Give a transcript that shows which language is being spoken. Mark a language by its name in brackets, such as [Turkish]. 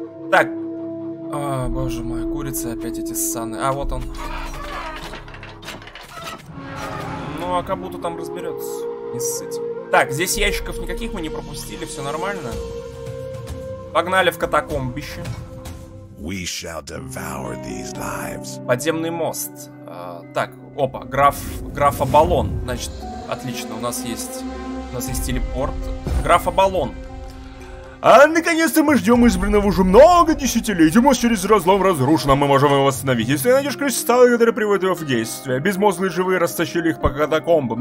[Russian] Так. О, боже мой, курица, опять эти ссаны. А, вот он. Ну, а Кабуто там разберется. Не ссыть. Так, здесь ящиков никаких мы не пропустили, все нормально. Погнали в катакомбище. [English] We shall devour these lives. [Russian] Подземный мост. Так, опа, граф Абалон. Значит, отлично, у нас есть телепорт. Граф Абалон. А наконец-то мы ждем избранного уже много десятилетий. Мост через разлом разрушен, а мы можем его восстановить. Если найдешь кристаллы, которые приводят его в действие. Безмозглые живые растащили их по катакомбам.